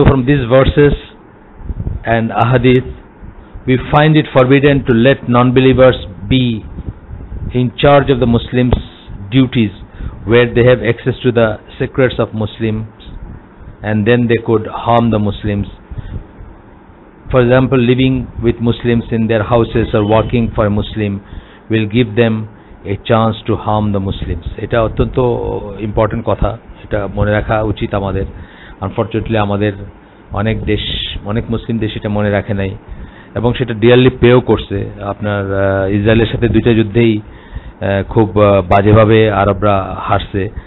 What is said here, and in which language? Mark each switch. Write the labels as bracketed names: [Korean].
[English] This verses and আহাদিস we find it forbidden to let non believers be in charge of the Muslims duties where they have access to the secrets of Muslims and then they could harm the Muslims for example, living with Muslims in their houses or working for a Muslim will give them a chance to harm the Muslims. [Bangla] এটা অত্যন্ত important কথা, এটা মনে রাখা উচিত আমাদের। Unfortunately আমাদের অনেক দেশ, অনেক মুসলিম দেশ এটা মনে রাখে নাই এবং সেটা ডিয়ারলি পেও করছে। আপনার ইসরায়েলের সাথে দুইটা যুদ্ধেই খুব বাজেভাবে আরবরা হারছে।